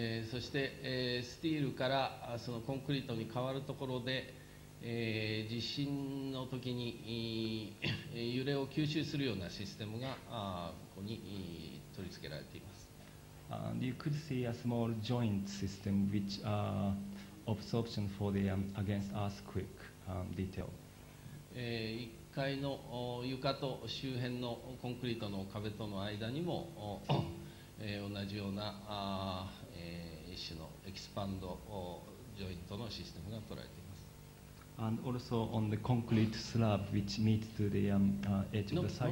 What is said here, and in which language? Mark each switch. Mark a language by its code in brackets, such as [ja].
[ja] そして、スティールからそのコンクリートに変わるところで地震の時に揺れを吸収するようなシステムがここに取り付けられています。 [en] And you could see a small joint system which absorption for the against earthquake detail. [ja] 1階の床と周辺のコンクリートの壁との間にも同じような一種のエキスパンドジョイントのシステムが取られています。 [en] And also on the concrete slab which meets to the edge of the site.